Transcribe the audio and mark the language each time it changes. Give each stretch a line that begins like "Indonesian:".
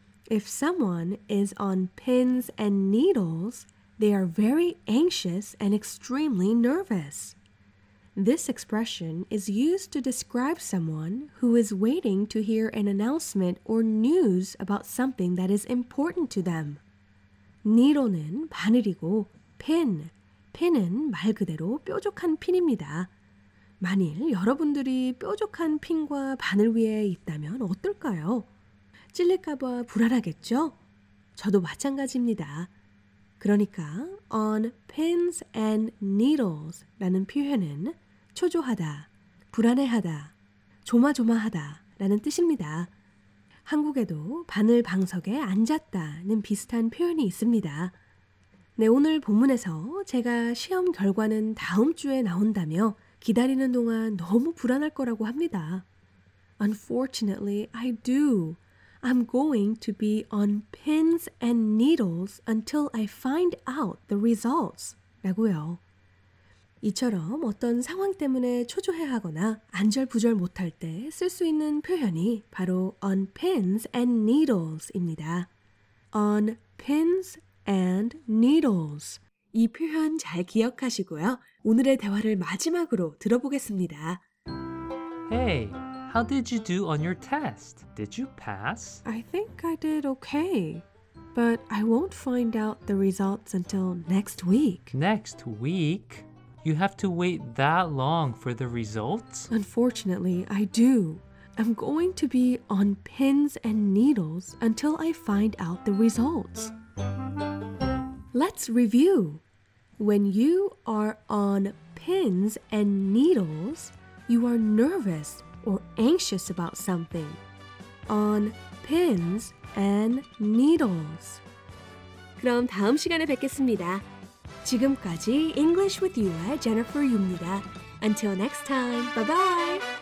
English: If someone is on pins and needles, they are very anxious and extremely nervous. This expression is used to describe someone who is waiting to hear an announcement or news about something that is important to them.
Korean: 니도는 바늘이고 pin 핀은 말 그대로 뾰족한 핀입니다. 만일 여러분들이 뾰족한 핀과 바늘 위에 있다면 어떨까요? 찔릴까봐 불안하겠죠? 저도 마찬가지입니다. 그러니까
English: on pins and needles
Korean: 라는 표현은 초조하다, 불안해하다, 조마조마하다 라는 뜻입니다. 한국에도 바늘 방석에 앉았다는 비슷한 표현이 있습니다. 네, 오늘 본문에서 제가 시험 결과는 다음 주에 나온다며 기다리는 동안 너무 불안할 거라고 합니다.
English: Unfortunately, I do. I'm going to be on pins and needles until I find out the results.
Korean: 라고요. 이처럼 어떤 상황 때문에 초조해하거나 안절부절 못할 때 쓸 수 있는 표현이 바로
English: on pins and needles
Korean: 입니다.
English: On pins and needles.
Korean: 이 표현 잘 기억하시고요. 오늘의 대화를 마지막으로 들어보겠습니다.
English: Hey, how did you do on your test? Did you pass? I think I did okay. But I won't find out the results until next week. Next week? You have to wait that long for the results? Unfortunately, I do. I'm going to be on pins and needles until I find out the results. Let's review. When you are on pins and needles, you are nervous or anxious about something. On pins and needles.
Korean: 그럼 다음 시간에 뵙겠습니다. 지금까지 English with You의 Jennifer Yu입니다.
English: Until next time, bye-bye!